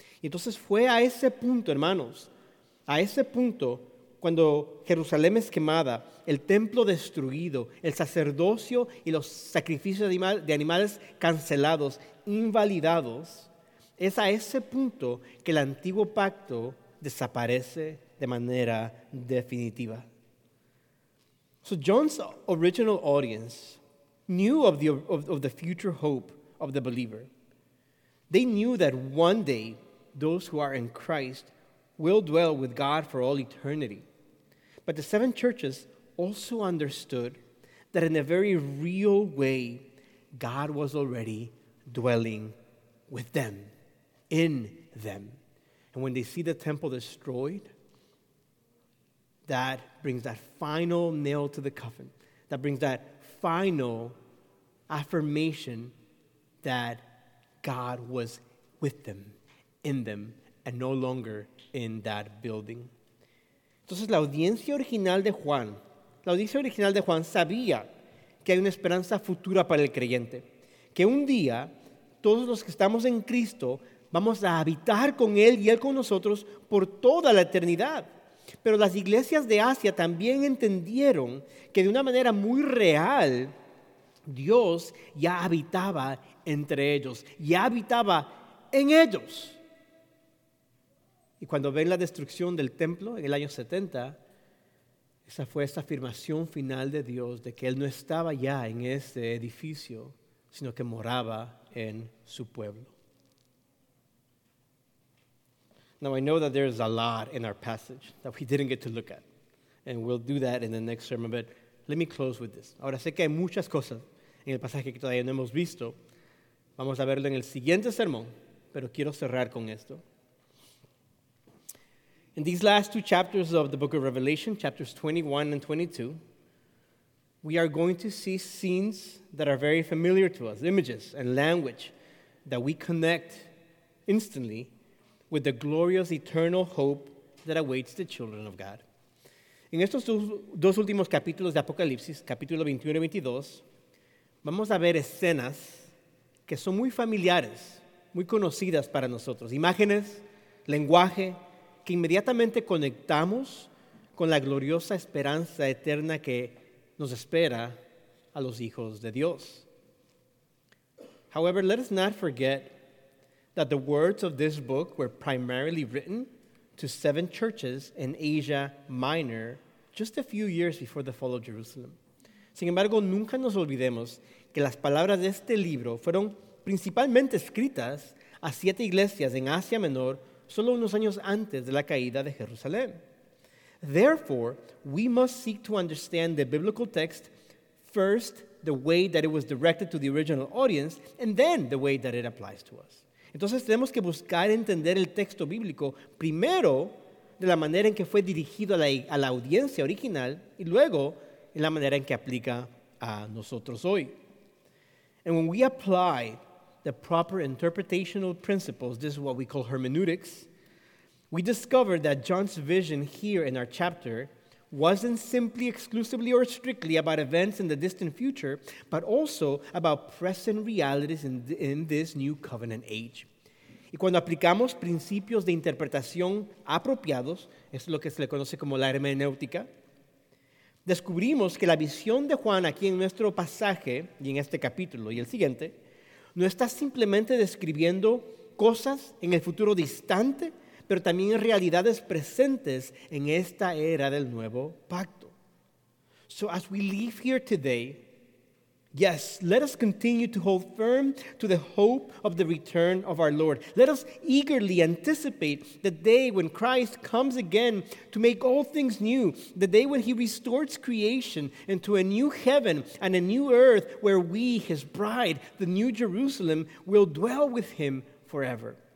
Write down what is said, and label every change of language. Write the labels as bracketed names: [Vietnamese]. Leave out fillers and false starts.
[Spanish] Y entonces fue a ese punto, hermanos, a ese punto, cuando Jerusalén es quemada, el templo destruido, el sacerdocio y los sacrificios de animales cancelados, invalidados, es a ese punto que el antiguo pacto desaparece de manera definitiva. [English] So John's original audience knew of the future hope of the believer. They knew that one day those who are in Christ will dwell with God for all eternity. But the seven churches also understood that in a very real way, God was already dwelling with them, in them. And when they see the temple destroyed, that brings that final nail to the coffin. That brings that final affirmation that God was with them, in them, and no longer in that building. [Spanish] Entonces, la audiencia original de Juan, la audiencia original de Juan sabía que hay una esperanza futura para el creyente. Que un día, todos los que estamos en Cristo, vamos a habitar con Él y Él con nosotros por toda la eternidad. Pero las iglesias de Asia también entendieron que de una manera muy real, Dios ya habitaba entre ellos, ya habitaba en ellos. Y cuando ven la destrucción del templo en el año 70, esa fue esa afirmación final de Dios de que Él no estaba ya en ese edificio, sino que moraba en su pueblo. [English] Now I know that there is a lot in our passage that we didn't get to look at, and we'll do that in the next sermon, but let me close with this. [Spanish] Ahora sé que hay muchas cosas en el pasaje que todavía no hemos visto. Vamos a verlo en el siguiente sermón, pero quiero cerrar con esto. [English] In these last two chapters of the book of Revelation, chapters 21 and 22, we are going to see scenes that are very familiar to us, images and language that we connect instantly with the glorious eternal hope that awaits the children of God. [Spanish] En estos dos últimos capítulos de Apocalipsis, capítulo 21 y 22, vamos a ver escenas que son muy familiares, muy conocidas para nosotros. Imágenes, lenguaje, que inmediatamente conectamos con la gloriosa esperanza eterna que nos espera a los hijos de Dios. [English] However, let us not forget that the words of this book were primarily written to seven churches in Asia Minor just a few years before the fall of Jerusalem. [Spanish] Sin embargo, nunca nos olvidemos que las palabras de este libro fueron principalmente escritas a siete iglesias en Asia Menor solo unos años antes de la caída de Jerusalén. [English] Therefore, we must seek to understand the biblical text first, the way that it was directed to the original audience, and then the way that it applies to us. [Spanish] Entonces tenemos que buscar entender el texto bíblico primero de la manera en que fue dirigido a la audiencia original y luego en la manera en que aplica a nosotros hoy. [English] And when we apply the proper interpretational principles, this is what we call hermeneutics, we discover that John's vision here in our chapter wasn't simply, exclusively, or strictly about events in the distant future, but also about present realities in this new covenant age. [Spanish] Y cuando aplicamos principios de interpretación apropiados, es lo que se le conoce como la hermenéutica, descubrimos que la visión de Juan aquí en nuestro pasaje, y en este capítulo y el siguiente, no está simplemente describiendo cosas en el futuro distante, pero también realidades presentes en esta era del nuevo pacto. [English] So as we leave here today, yes, let us continue to hold firm to the hope of the return of our Lord. Let us eagerly anticipate the day when Christ comes again to make all things new, the day when he restores creation into a new heaven and a new earth where we, his bride, the new Jerusalem, will dwell with him forever.